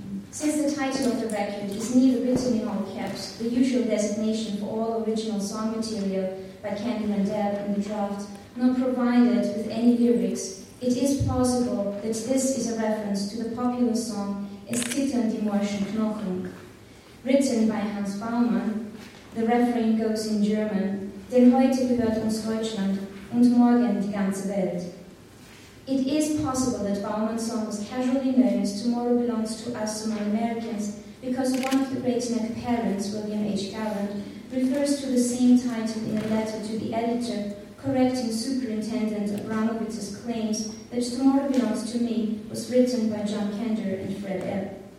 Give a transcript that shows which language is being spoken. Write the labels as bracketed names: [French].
[English] Since the title of the record is neither written in all caps, the usual designation for all original song material by Candy Mandel in the draft, nor provided with any lyrics, it is plausible that this is a reference to the popular song Es zittern die Morschen Knochen. Written by Hans Baumann, the refrain goes in German, [German] Denn heute gehört uns Deutschland und morgen die ganze Welt. [English] It is possible that Baumann's song was casually known as Tomorrow Belongs to Us Among Americans because one of the great neck parents, William H. Gallant, refers to the same title in a letter to the editor correcting Superintendent Abramowitz's claims that Tomorrow Belongs to Me was written by John Kender and Fred Ebb.